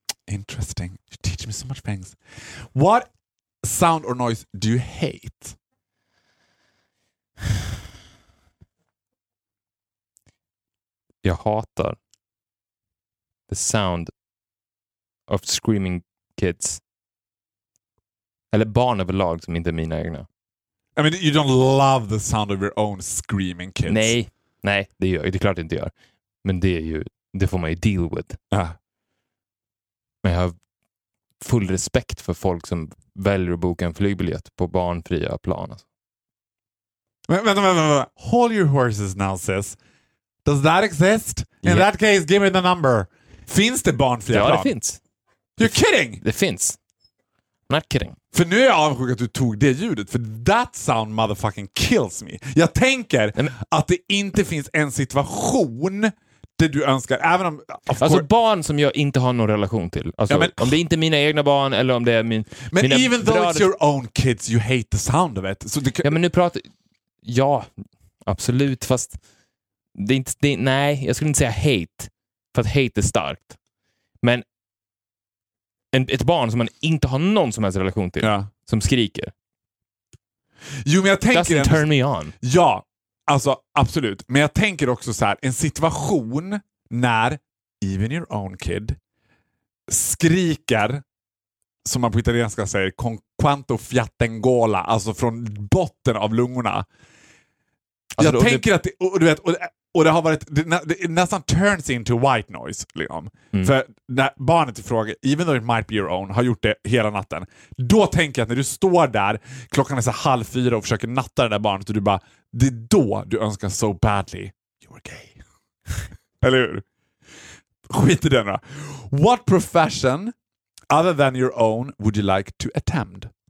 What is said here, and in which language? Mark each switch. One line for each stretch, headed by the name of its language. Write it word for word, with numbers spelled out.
English: Interesting. You teach me so much things. What sound or noise do you hate?
Swedish: Jag hatar
English: the sound of screaming kids.
Swedish: Eller barn överlag som inte är mina egna.
English: I mean, you don't love the sound of your own screaming kids.
Swedish: Nej, nej, det gör, det är klart det inte gör. Men det är ju, det får man ju
English: deal with. Ah.
Swedish: Men jag har full respekt för folk som väljer att boka en flygbiljett på barnfria plan. Alltså.
English: Vänta, vänta, vänta. Hold your horses now, sis. Does that exist? In yeah. that case, give me the number.
Swedish: Finns det barnfria ja, plan? Ja, det finns.
English: You're kidding!
Swedish: Det finns.
English: I'm not kidding.
Swedish: För nu är jag avundsjuk att du tog det ljudet. För
English: that sound motherfucking kills me.
Swedish: Jag tänker Nej, men... att det inte finns en situation... Det du önskar, även om... Alltså course. Barn som jag inte har någon relation till. Alltså, ja, men, om det är inte är mina egna barn eller om det är min... Men mina
English: even though bröder... it's your own kids, you hate the sound of it.
Swedish: Så det... Ja, men nu pratar... Ja, absolut, fast... Det är inte, det är... Nej, jag skulle inte säga hate. För att hate är starkt. Men en, ett barn som man inte har någon som helst relation till. Ja. Som skriker. Jo, men jag tänker...
English: Doesn't turn me on.
Swedish: Ja. Alltså, absolut. Men jag tänker också så här, en situation när
English: even your own kid
Swedish: skriker, som man på italienska säger,
Italian: con quanto fiattengola,
Swedish: alltså från botten av lungorna. Alltså, jag tänker det... att det, och, du vet, och, och det har varit det, nä, det nästan
English: turns into white noise.
Swedish: Liksom. Mm. För när barnet i fråga,
English: even though it might be your own,
Swedish: har gjort det hela natten. Då tänker jag att när du står där, klockan är så halv fyra och försöker natta det där barnet och du bara, det är då du önskar
English: so badly you were gay.
Swedish: Eller hur? Skit i den då.
English: What profession other than your own would you like to attend?